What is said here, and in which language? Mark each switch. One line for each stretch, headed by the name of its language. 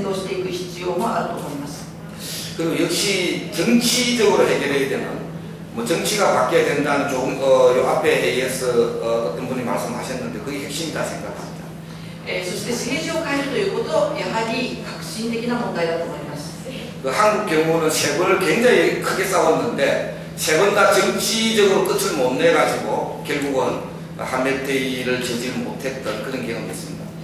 Japanese: というような言い方をします。で、まあ大規模な大衆運動をするといろいろな問題もそこでは起きるんですけれども、何しろこう、やらかしてしまって大規模な大衆闘争というのを先導していく必要もあると思います。
Korean: 그리고 역시 정치적으로 해결해야 되는 뭐 정치가 바뀌어야 된다는 조금 요 앞에 대해서 어떤 분이 말씀하셨는데 그게 핵심이다 생각합니다.
Japanese: そして政治を変えるということやはり革新的な問題だと思います。
Korean: 한국 경우는 세금을 굉장히 크게 싸웠는데 세금 다 정치적으로 끝을 못 내가지고 결국은 한미테이를 저지를 못했던 그런 경험이 있습니다.